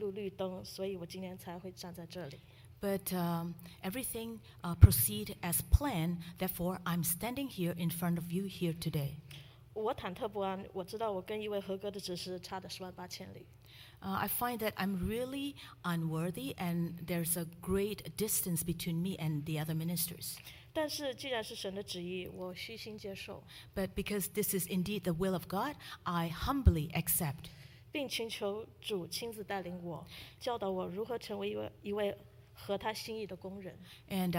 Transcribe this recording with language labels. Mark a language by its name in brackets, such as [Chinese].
[Chinese] 可是事与愿违，竟然一路绿灯，所以我今天才会站在这里。 [English] But everything proceed as planned, therefore I'm standing here in front of you here today. [Chinese] 我忐忑不安，我知道我跟一位合格的执事差得十万八千里。 [English] I find that I'm really unworthy, and there's a great distance between me and the other ministers. [Chinese] 但是既然是神的旨意，我虚心接受。 [English] But because this is indeed the will of God, I humbly accept. [Chinese] 并请求主亲自带领我，教导我如何成为一位合他心意的工人。 [English] And